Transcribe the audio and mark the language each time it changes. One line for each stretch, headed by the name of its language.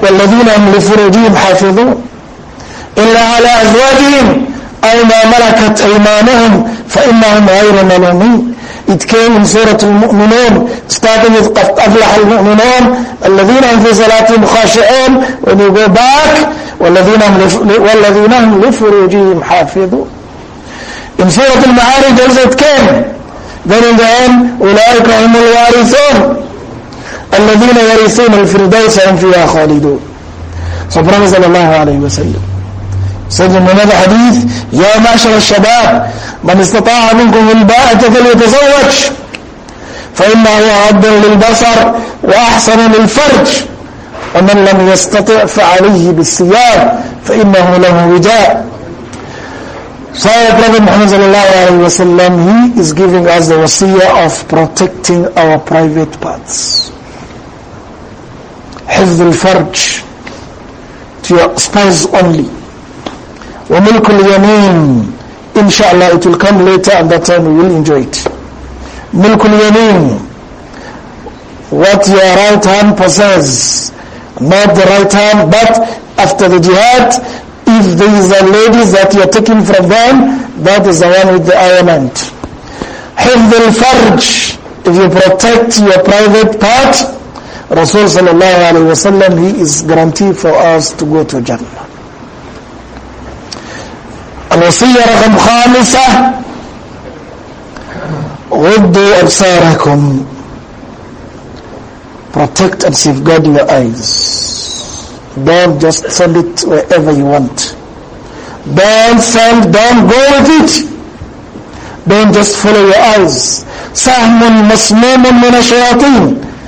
Arabic: والذين هم لفروجهم حافظون. إلا على أزواجهم أو ما ملكت أيمانهم فإنهم غير ملومين.
English: It came in Surah Al-Mu'minun, starting with
Arabic: قَدْ أَفْلَحَ الْمُؤْمِنُونَ الَّذِينَ هُمْ فِي صَلَاتِهِمْ خَاشِعُونَ.
English: When you go back,
Arabic: وَالَّذِينَ هُمْ لِفُرُوجِهِمْ حَافِظُونَ.
English: In Surah Al-Ma'arij also it came. Then in the end,
Arabic: أُولَٰئِكَ هُمُ الْوَارِثُونَ الَّذِينَ يَرِثُونَ الْفِرْدَوْسَ هُمْ فِيهَا خَالِدُونَ.
English: So Prophet sallallahu alayhi wa sallam said in another hadith,
Arabic: يَا مَعْشَرَ الشَّبَابِ مَنْ اسْتَطَاعَ مِنْكُمُ الْبَاءَةَ فَلْيَتَزَوَّجْ فَإِنَّهُ أَعَدَّ لِلْبَصَرِ وَأَحْسَنَ لِلْفَرْجِ وَمَنْ لَمْ يَسْتَطِعْ فَعَلَيْهِ بِالصِّيَامِ فَإِنَّهُ لَهُ وِجَاءٌ.
English: So Prophet Muhammad sallallahu alayhi wa sallam, he is giving us the wasiya of protecting our private parts.
Arabic: حفظ الفرج,
English: to your spouse only.
Arabic: وملك اليمين,
English: inshallah it will come later and that time we will enjoy it.
Arabic: ملك اليمين,
English: what your right hand possesses, not the right hand, but after the jihad, if there is a lady that you are taking from them, that is the one with the ailment.
Arabic: حفظ الفرج,
English: if you protect your private part, Rasul sallallahu alayhi wa sallam, he is guaranteed for us to go to Jannah.
Arabic: وصية رقم خامسة غضوا أبصاركم.
English: Protect and safeguard your eyes. Don't just send it wherever you want. Don't send, don't go with it. Don't just follow your eyes.
Arabic: سهم مسموم من الشياطين.